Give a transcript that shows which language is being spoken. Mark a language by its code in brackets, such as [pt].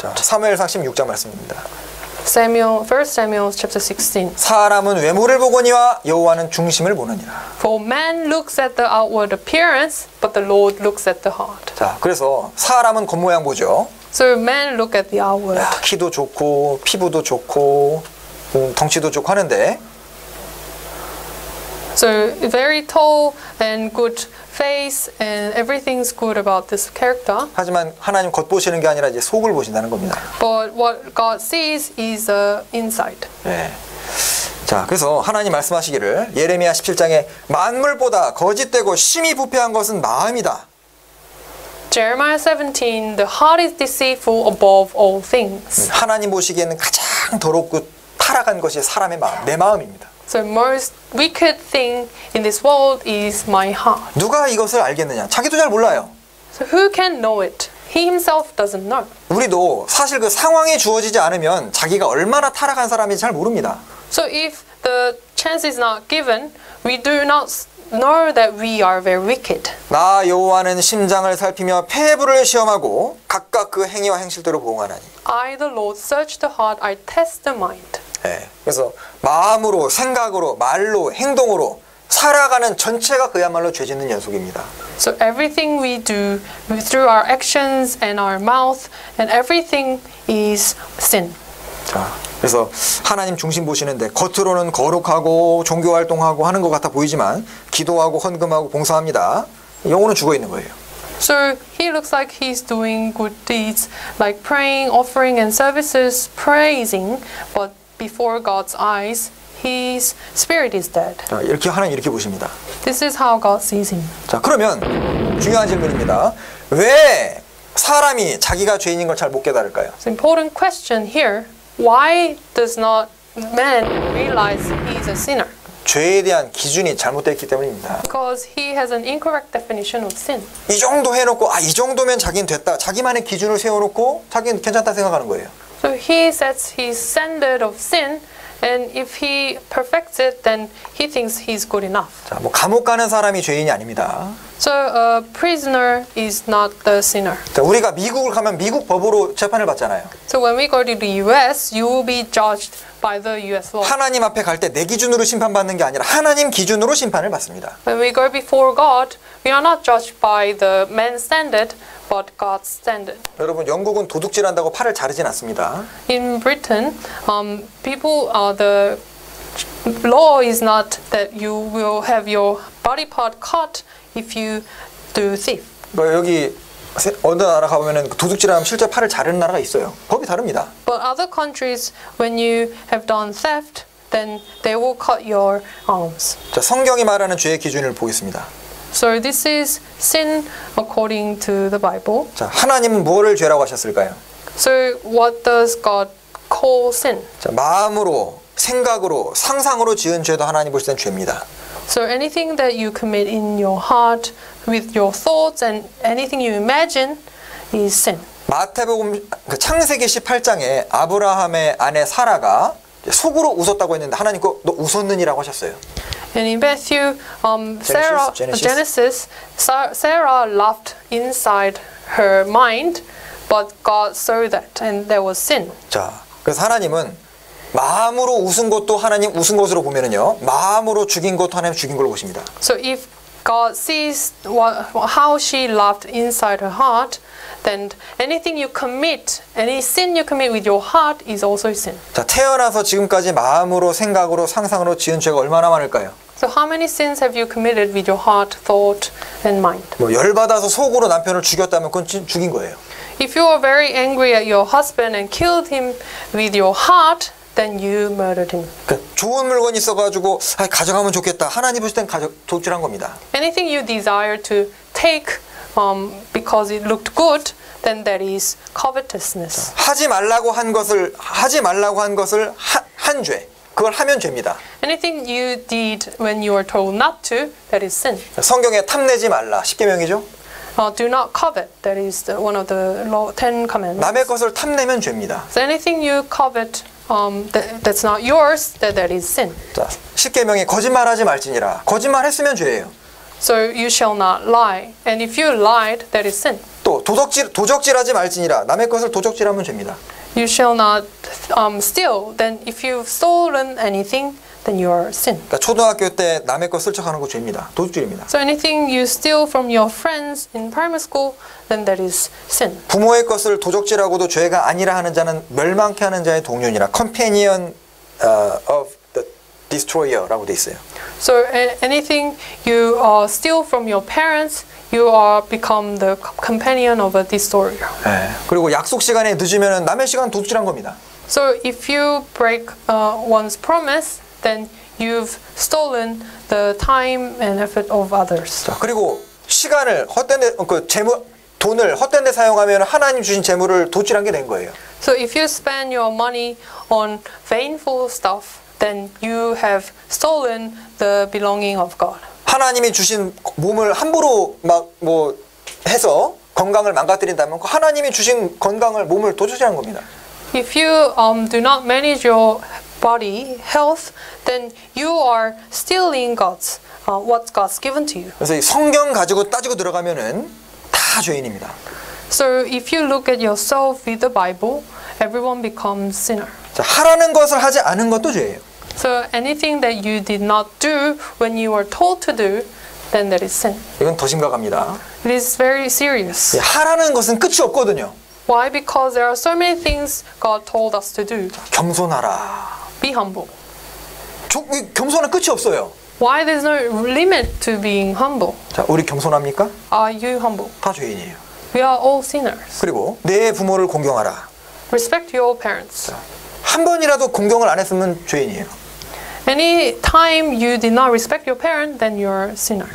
[ko] 자, 사무엘상 16장 말씀입니다. [en] First Samuel chapter 16. [ko] 사람은 외모를 보거니와 여호와는 중심을 보느니라. [en] For man looks at the outward appearance, but the Lord looks at the heart. [ko] 자, 그래서 사람은 겉모양 보죠. [en] So man look at the outward. [ko] 야, 키도 좋고 피부도 좋고 덩치도 좋고 하는데 [en] So very tall and good face and everything's good about this character. [ko] 하지만 하나님 겉보시는 게 아니라 이제 속을 보신다는 겁니다. [en] But what God sees is the inside. [ko] 네. 자, 그래서 하나님 말씀하시기를 예레미야 17장에 만물보다 거짓되고 심히 부패한 것은 마음이다. [en] Jeremiah 17 The heart is deceitful above all things. [ko] 하나님 보시기에는 가장 더럽고 타락한 것이 사람의 마음, 내 마음입니다. [en] So most wicked thing in this world is my heart. [ko] 누가 이것을 알겠느냐? 자기도 잘 몰라요. [en] So who can know it? He himself doesn't know. [ko] 우리도 사실 그 상황이 주어지지 않으면 자기가 얼마나 타락한 사람인지 잘 모릅니다. [en] So if the chance is not given, we do not know that we are very wicked. [ko] 나 여호와는 심장을 살피며 폐부를 시험하고 각각 그 행위와 행실대로 보응하나니. [en] I the Lord search the heart, I test the mind. [ko] 예. 네, 그래서 마음으로, 생각으로, 말로, 행동으로 살아가는 전체가 그야말로 죄 짓는 연속입니다. [en] So everything we do through our actions and our mouth and everything is sin. [ko] 자, 그래서 하나님 중심 보시는데 겉으로는 거룩하고 종교 활동하고 하는 것 같아 보이지만 기도하고 헌금하고 봉사합니다. 영혼은 죽어 있는 거예요. [en] So he looks like he's doing good deeds like praying, offering and services, praising, but before God's eyes, his spirit is dead. [ko] 자, 이렇게 하나님 이렇게 보십니다. [en] This is how God sees him. [ko] 자, 그러면 중요한 질문입니다. 왜 사람이 자기가 죄인인 걸 잘 못 깨달을까요? [en] It's an important question here. Why does not man realize he's a sinner? [ko] 죄에 대한 기준이 잘못됐기 때문입니다. [en] Because he has an incorrect definition of sin. [ko] 이 정도 해놓고 아 이 정도면 자기는 됐다. 자기만의 기준을 세워놓고 자기는 괜찮다 생각하는 거예요. [en] So he sets his standard of sin, and if he perfects it, then he thinks he's good enough. [ko] 자, 뭐 감옥 가는 사람이 죄인이 아닙니다. [en] So a prisoner is not the sinner. [ko] 자, 우리가 미국을 가면 미국 법으로 재판을 받잖아요. [en] So when we go to the U.S., you will be judged. By the US law. [ko] 하나님 앞에 갈 때 내 기준으로 심판받는 게 아니라 하나님 기준으로 심판을 받습니다. [en] When we go before God, we are not judged by the man's standard, but God's standard. [ko] 여러분, 영국은 도둑질한다고 팔을 자르진 않습니다. [en] In Britain, people are the law is not that you will have your body part cut if you do thief. [ko] 뭐 여기 어느 나라 가보면은 도둑질하면 실제 팔을 자르는 나라가 있어요. 법이 다릅니다. [en] But other countries, when you have done theft, then they will cut your arms. [ko] 자, 성경이 말하는 죄의 기준을 보겠습니다. [en] So this is sin according to the Bible. [ko] 자, 하나님은 무엇을 죄라고 하셨을까요? [en] So what does God call sin? [ko] 자, 마음으로, 생각으로, 상상으로 지은 죄도 하나님 보실 때는 죄입니다. [en] So anything that you commit in your heart with your thoughts and anything you imagine is sin. [ko] 마태복음 그 창세기 18장에 아브라함의 아내 사라가 속으로 웃었다고 했는데 하나님 그 너 웃었느니라고 하셨어요. [en] And in Matthew Genesis Sarah laughed inside her mind but God saw that and there was sin. [ko] 자, 그래서 하나님은 마음으로 웃은 것도 하나님 웃은 것으로 보면은요. 마음으로 죽인 것도 하나님 죽인 걸로 보십니다. [en] So if God sees how she laughed inside her heart, then anything you commit, any sin you commit with your heart is also sin. [ko] 자, 태어나서 지금까지 마음으로, 생각으로, 상상으로 지은 죄가 얼마나 많을까요? [en] So how many sins have you committed with your heart, thought and mind? [ko] 뭐 열 받아서 속으로 남편을 죽였다면 그건 죽인 거예요. [en] If you are very angry at your husband and killed him with your heart, then you murdered him. [ko] 좋은 물건 있어 가지고 가져가면 좋겠다. 하나님 보실 땐 도둑질한 겁니다. [en] Anything you desire to take because it looked good, then that is covetousness. [ko] 하지 말라고 한 것을 한 죄. 그걸 하면 죄입니다. [en] Anything you did when you were told not to, that is sin. [ko] 성경에 탐내지 말라. 십계명이죠? [en] Do not covet. That is one of the Ten Commandments. [ko] 남의 것을 탐내면 죄입니다. [en] So anything you covet that's not yours, that is sin. [ko] 자, 십계명에 거짓말하지 말지니라. 거짓말했으면 죄예요. [en] So you shall not lie. And if you lied, that is sin. [ko] 또 도적질하지 말지니라. 남의 것을 도적질하면 죄입니다. [en] You shall not steal. Then if you've stolen anything, then you are sin. [ko] 그러니까 초등학교 때 남의 것 슬쩍하는 거 죄입니다. 도둑질입니다. [en] So anything you steal from your friends in primary school, then that is sin. [ko] 부모의 것을 도둑질하고도 죄가 아니라 하는 자는 멸망케 하는 자의 동료니라. [en] Companion of the destroyer [ko] 라고 돼 있어요. [en] So anything you steal from your parents, you are become the companion of a destroyer. [ko] 네. 그리고 약속 시간에 늦으면은 남의 시간 도둑질한 겁니다. [en] So if you break one's promise, then you've stolen the time and effort of others. [ko] 자, 그리고 시간을 헛된 데 그 재물 돈을 헛된 데 사용하면 하나님 주신 재물을 도둑질한 게 된 거예요. [en] So if you spend your money on vainful stuff, then you have stolen the belonging of God. [ko] 하나님이 주신 몸을 함부로 막 뭐 해서 건강을 망가뜨린다면 그 하나님이 주신 건강을 몸을 도둑질한 겁니다. [en] If you do not manage your body health, then you are stealing God's what God's given to you. [ko] 그래서 이 성경 가지고 따지고 들어가면은 다 죄인입니다. [en] So if you look at yourself with the Bible, everyone becomes sinner. [ko] 자, 하라는 것을 하지 않은 것도 죄예요. [en] So anything that you did not do when you were told to do, then that is sin. [ko] 이건 더 심각합니다. [en] It is very serious. [ko] 예, 하라는 것은 끝이 없거든요. [en] Why? Because there are so many things God told us to do. [ko] 겸손하라. [en] Be humble. [ko] 겸손은 끝이 없어요. [en] Why there's no limit to being humble? [ko] 자, 우리 겸손합니까? [en] Are you humble? [ko] 다 죄인이에요. [en] We are all sinners. [ko] 그리고 내 부모를 공경하라. [en] Respect your parents. 자, [ko] 한 번이라도 공경을 안 했으면 죄인이에요. [en] Any time you did not respect your parent, then you're a sinner.